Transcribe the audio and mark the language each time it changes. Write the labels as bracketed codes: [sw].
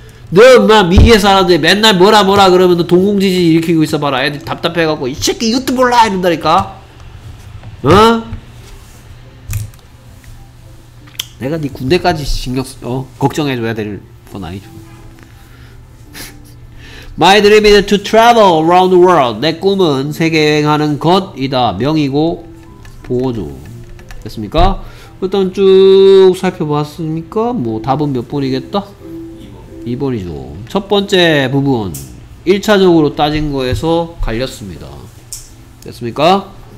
[ko] 너 막 미개 사람들 맨날 뭐라 뭐라 그러면 너 동공지진 일으키고 있어봐라. 애들 답답해갖고 이 새끼 이것도 몰라 이런다니까. 어? 내가 네 군대까지 신경 쓰... 어? 걱정해줘야 될 건 아니죠. [en] My dream is to travel around the world. [ko] 내 꿈은 세계 여행하는 것이다. 명이고 보호죠. 됐습니까? 일단 쭉 살펴봤습니까? 뭐 답은 몇 번이겠다? 2번이죠. 첫 번째 부분 1차적으로 따진 거에서 갈렸습니다. 됐습니까?